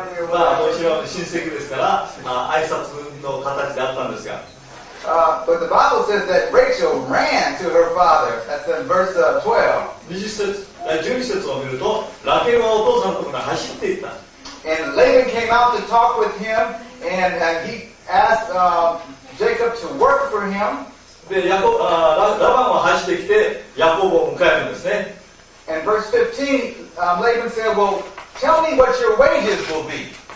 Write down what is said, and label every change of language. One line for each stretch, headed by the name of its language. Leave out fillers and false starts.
Japanese: まあもちろん親戚ですから、まあ、挨拶の形であったんですが。
English: But the Bible says that Rachel ran to her father. That's in verse 12.
Japanese: 12節を見ると、ラケルはお父さんのところに走っていった。
English: And Laban came out to talk with him, and he asked Jacob to work for him.
Japanese: でラバンも走ってきて、ヤコブを迎えるんですね。
English: And verse 15, Laban said, well,Tell me what your wages will be.